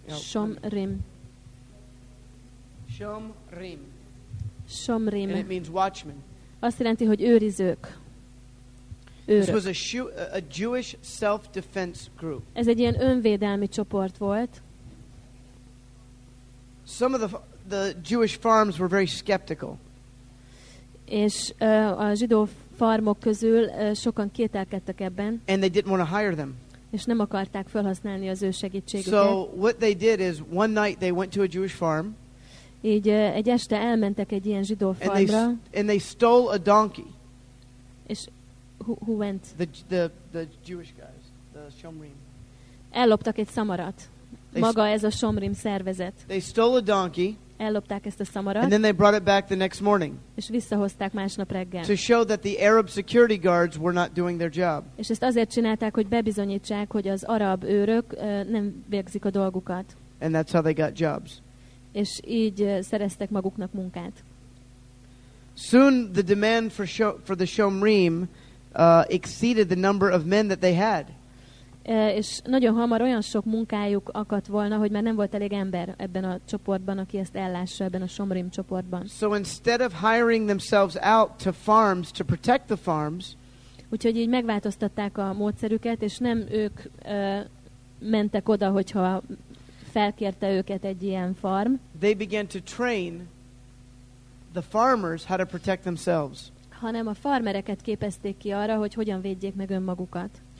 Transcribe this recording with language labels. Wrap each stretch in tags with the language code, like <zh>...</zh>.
<he>Shomrim. Shomrim. Shomrim.</he> <en>And it means watchmen.</en> <hu>Azt jelenti, hogy őrizők.</hu> <en>This was a Jewish self-defense group.</en> <hu>Ez egy ilyen önvédelmi csoport volt.</hu> <en>Some of the Jewish farms were very skeptical.</en> <hu>És a zsidó farmok közül sokan kételkedtek ebben.</hu> <en>And they didn't want to hire them.</en> <hu>És nem akarták felhasználni az ő segítségüket.</hu> <en>So what they did is one night they went to a Jewish farm.</en> <hu>Így egy este elmentek egy ilyen zsidó farmra.</hu> <en>And they stole a donkey. És who went? The Jewish guys, the Shomrim.</en> <hu>Elloptak egy szamarat. Maga ez a Shomrim szervezet.</hu> <en>They stole a donkey.</en> <hu>Ellopták ezt a szamarat.</hu> <en>And then they brought it back the next morning.</en> <hu>És visszahozták másnap reggel.</hu> <en>To show that the Arab security guards were not doing their job.</en> <hu>És ezt azért csinálták, hogy bebizonyítsák, hogy az arab őrök nem végzik a dolgukat.</hu> <en>And that's how they got jobs.</en> <hu>És így szereztek maguknak munkát.</hu> <en>Soon the demand for the Shomrim exceeded the number of men that they had.</en> <hu>És nagyon hamar olyan sok munkájuk akadt volna, hogy már nem volt elég ember ebben a csoportban, aki ezt ellássa ebben a Shomrim csoportban.</hu> <en>So instead of hiring themselves out to farms to protect the farms,</en> <hu>úgyhogy így megváltoztatták a módszerüket, és nem ők mentek oda, hogyha felkérte őket egy ilyen farm.</hu> <en>They began to train the farmers how to protect themselves.</en> <hu>Hanem a farmereket képezték ki arra, hogy hogyan védjék meg önmagukat.</hu>